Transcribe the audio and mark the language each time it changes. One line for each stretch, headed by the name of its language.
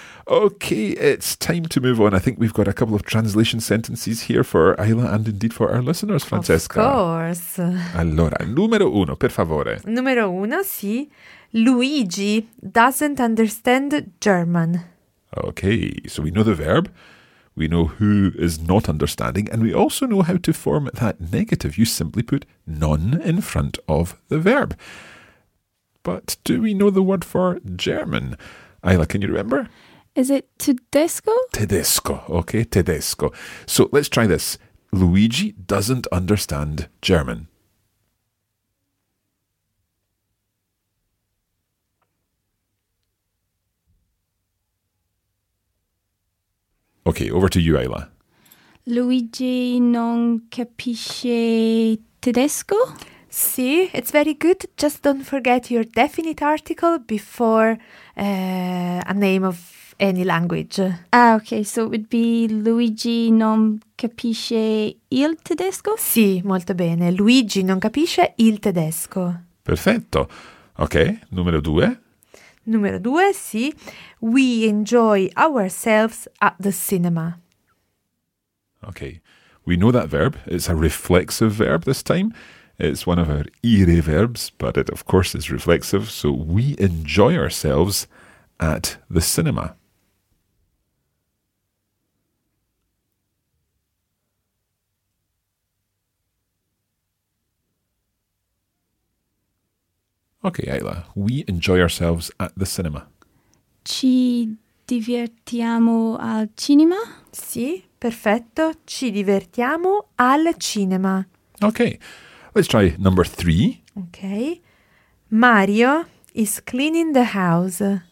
English: Ok, it's time to move on. I think we've got a couple of translation sentences here for Ayla and indeed for our listeners, Francesca. Of course.
Italian: Allora, numero uno, per favore. Numero uno, sì.
English: Luigi doesn't understand German. Ok, so we know the verb. We know who is not understanding, and we also know how to form that negative. You simply put non in front of the verb. But do we know the word for German? Ayla, can you remember? Is it tedesco? Tedesco. Okay, tedesco. So let's try this. Luigi doesn't understand German. Okay, over to you, Ayla.
Italian: Luigi non capisce tedesco?
English: Sì, it's very good. Just don't forget your definite article before a name of any language. Ah, okay. So it would be Luigi
Italian: non capisce il tedesco? Sì, molto bene. Luigi non capisce il tedesco. Perfetto. Okay, numero due. Numero due, sì.
English: We enjoy ourselves at the cinema. Okay, we know that verb. It's a reflexive verb this time. It's one of our ire verbs, but it, of course, is reflexive. So we enjoy ourselves at the cinema. Okay, Ayla, we enjoy ourselves at the cinema.
Italian: Ci divertiamo al cinema? Sì, perfetto. Ci divertiamo al cinema.
English: Okay, let's try number three. Okay. Mario is cleaning the house.